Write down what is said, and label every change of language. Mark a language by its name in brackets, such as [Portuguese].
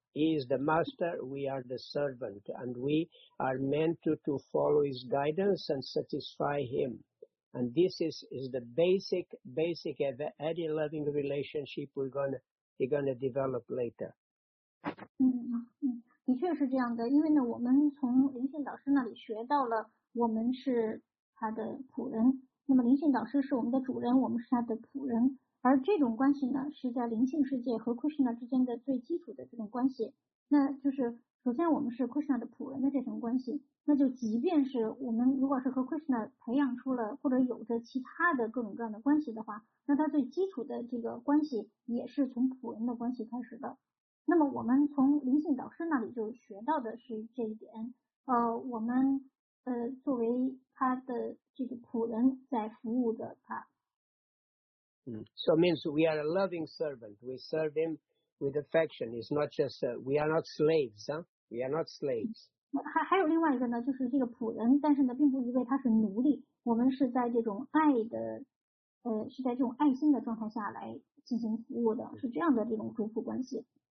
[English] He is the master, we are the servant. And we are meant to follow his guidance and satisfy him. And this is the basic of any loving relationship you're going to develop later. [Chinese] 的确是这样的，因为呢，我们从灵性导师那里学到了我们是他的仆人，那么灵性导师是我们的主人，我们是他的仆人，而这种关系呢，是在灵性世界和 Krishna 之间的最基础的这种关系，那就是首先我们是 Krishna 的仆人的这种关系，那就即便是我们如果是和 Krishna 培养出了或者有着其他的各种各样的关系的话，那他最基础的这个关系也是从仆人的关系开始的。那么我们从灵性导师那里就学到的是这一点。我们作为他的这个仆人在服务着他。 [English] So means we are a loving servant. We serve him with affection. It's not just we are not slaves, huh? We are not slaves. [Chinese] 还有另外一个呢，就是这个仆人，但是呢，并不意味他是奴隶。我们是在这种爱的。是在这种爱心的状态下来进行服务的，是这样的这种主仆关系。